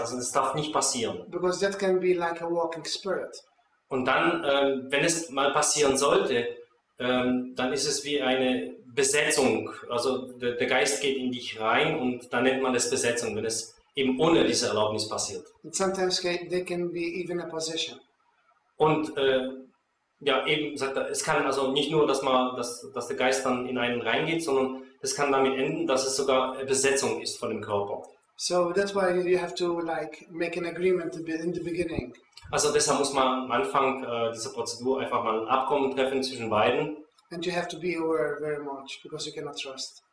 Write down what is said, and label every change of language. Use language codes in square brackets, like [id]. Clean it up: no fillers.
[de] Also, das darf nicht passieren. [en] Because that can be like a walking spirit. [de] Und dann, wenn es mal passieren sollte, dann ist es wie eine Besetzung. Also, der Geist geht in dich rein und dann nennt man das Besetzung, wenn es eben ohne diese Erlaubnis passiert. [en] And sometimes they can be even a possession. [de] Und ja, eben sagt er, es kann also nicht nur, dass der Geist dann in einen reingeht, sondern es kann damit enden, dass es sogar eine Besetzung ist von dem Körper. [en] So that's why you have to like make an agreement to be in the beginning. [de] Also deshalb muss man am Anfang dieser Prozedur einfach mal ein Abkommen treffen zwischen beiden. [en] And you have to be aware very much because you cannot trust.